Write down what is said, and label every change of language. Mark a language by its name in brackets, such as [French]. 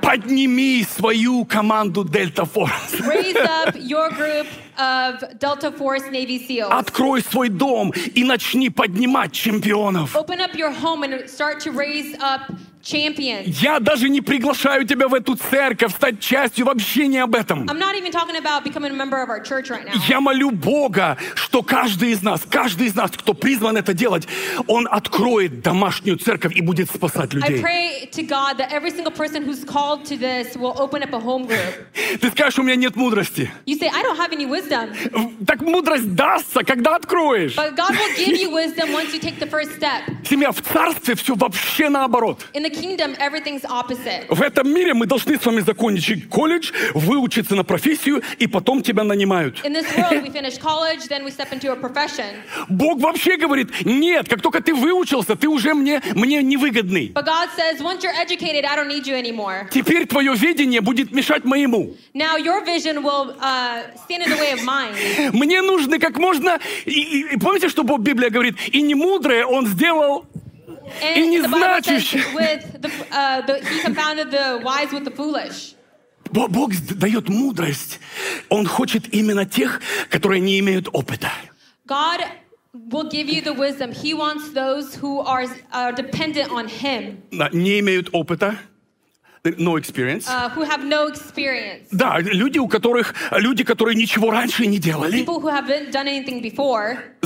[Russian] Подними свою команду Delta Force. [English] Raise up your group of Delta Force Navy SEALs. [Russian] Открой свой дом и начни поднимать чемпионов. [English] Open up your home and start to raise up champions. [Russian] Я даже не приглашаю тебя в эту церковь стать частью, вообще не об этом. [English] I'm not even talking about becoming a member of our church right now. [Russian] Я молю Бога, что каждый из нас, кто призван это делать, он откроет домашнюю церковь и будет спасать людей. [English] I pray to God that every single person who's called to this will open up a home group. [Russian] Ты скажешь, у меня нет мудрости. [English] You say, I don't have any wisdom. [Russian] Так мудрость дастся, когда откроешь. [English] But God will give you wisdom once you take the first step. [Russian] Семья, в царстве все вообще наоборот. [English] In the kingdom, everything's opposite. [Russian] В этом мире мы должны с вами закончить колледж, выучиться на профессию, и потом тебя нанимают. [English] In this world, we finish college, then we step into a profession. [Russian] Бог вообще говорит, нет, как только ты выучился, ты уже мне невыгодный. [English] But God says, once you're educated, I don't need you anymore. [Russian] Теперь твое видение будет мешать моему. [English] Now your vision will stand in the way of mine. [Russian] Мне нужно как можно... И помните, что Бог, Библия говорит, и немудрое он сделал... [English] And [Russian] и не значит, [English] he confounded the wise with the foolish. [Russian] Бог дает мудрость. Он хочет именно тех, которые не имеют опыта. [English] God will give you the wisdom. He wants those who are dependent on him. [Russian] Не имеют опыта. [English] No experience. Who have no experience. [Russian] Да, люди, которые ничего раньше не делали. [English] People who haven't done anything before.